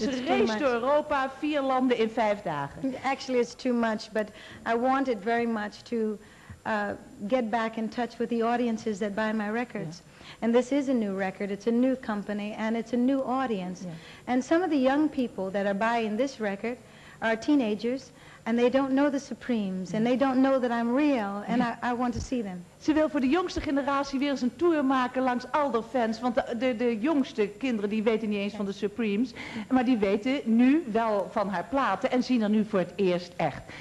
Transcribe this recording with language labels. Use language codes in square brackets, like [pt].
[nl] ze reist door Europa, 4 landen in 5 dagen. [en] Actually, it's too much, but I wanted very much to get back in touch with the audiences that buy my records. Yeah. And this is a new record, it's a new company, and it's a new audience. Yeah. And some of the young people that are buying this record are teenagers, and they don't know the Supremes, and they don't know that I'm real, and I want to see them. [nl] Ze wil voor de jongste generatie weer eens een tour maken langs al de fans, want de jongste kinderen die weten niet eens van de Supremes, maar die weten nu wel van haar platen en zien haar nu voor het eerst echt.